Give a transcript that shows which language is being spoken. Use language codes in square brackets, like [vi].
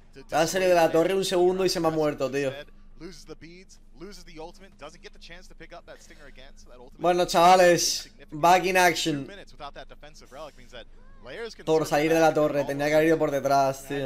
[es] Ha salido de la torre un segundo y se me ha muerto, tío. [en] Loses the beads, loses the ultimate, doesn't get the chance to pick up that stinger again, so that ultimate. [es] Bueno, chavales, [en] back in action. Without that defensive relic means that layers can. [es] Por salir de la torre, tenía que haber ido por detrás, tío.